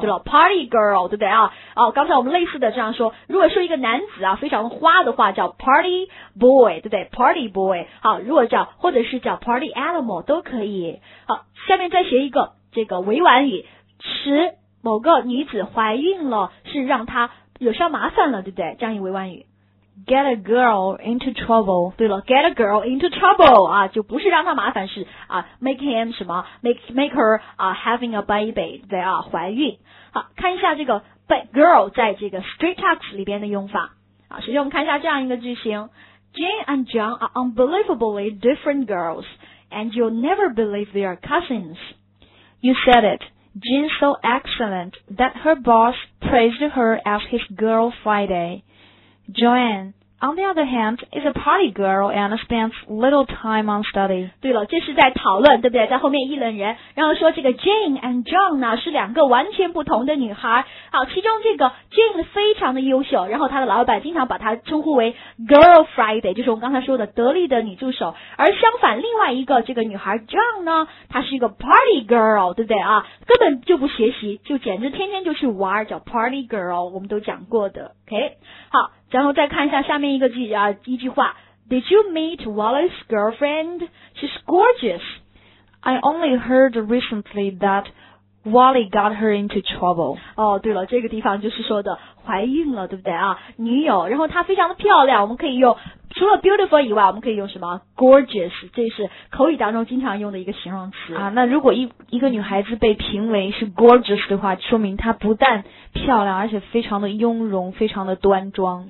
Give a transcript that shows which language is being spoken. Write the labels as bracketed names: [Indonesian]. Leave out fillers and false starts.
[Chinese] 对了 ，Party girl, 对不对刚才我们类似的这样说，如果说一个男子非常花的话，叫 Party boy, 对不对 ？Party boy, 好，如果叫或者是叫 Party animal 都可以。好，下面再学一个这个委婉语，使某个女子怀孕了，是让她惹上麻烦了，对不对？这样一委婉语。 [English] Get a girl into trouble. [Chinese] 对了 ， [English] get a girl into trouble [Chinese] 就不是让他麻烦，是 [English] make him [Chinese] 什么 [English] make her having a baby [Chinese] 对怀孕。好，看一下这个 bad girl 在这个 straight talks 里边的用法首先我们看一下这样一个句型 ： [English] Jane and John are unbelievably different girls, and you'll never believe they are cousins. You said it. Jane's so excellent that her boss praised her as his girl Friday.Joanne, On the other hand, is a party girl and spends little time on study. [Chinese] 对了，这是在讨论，对不对？在后面议论人，然后说这个 Jane and John 呢是两个完全不同的女孩。好，其中这个 Jane 非常的优秀，然后她的老板经常把她称呼为 Girl Friday， 就是我们刚才说的得力的女助手。而相反，另外一个这个女孩 John 呢，她是一个 party girl， 对不对啊？根本就不学习，就简直天天就去玩，叫 party girl， 我们都讲过的。OK， 好。然后再看一下下面一个句啊，一句话 ， [English] Did you meet Wallace's girlfriend? She's gorgeous. I only heard recently that Wally got her into trouble. [Chinese] 哦，对了，这个地方就是说的怀孕了，对不对啊？女友，然后她非常的漂亮，我们可以用除了 beautiful 以外，我们可以用什么 ？gorgeous， 这是口语当中经常用的一个形容词啊。那如果一个女孩子被评为是 gorgeous 的话，说明她不但漂亮，而且非常的雍容，非常的端庄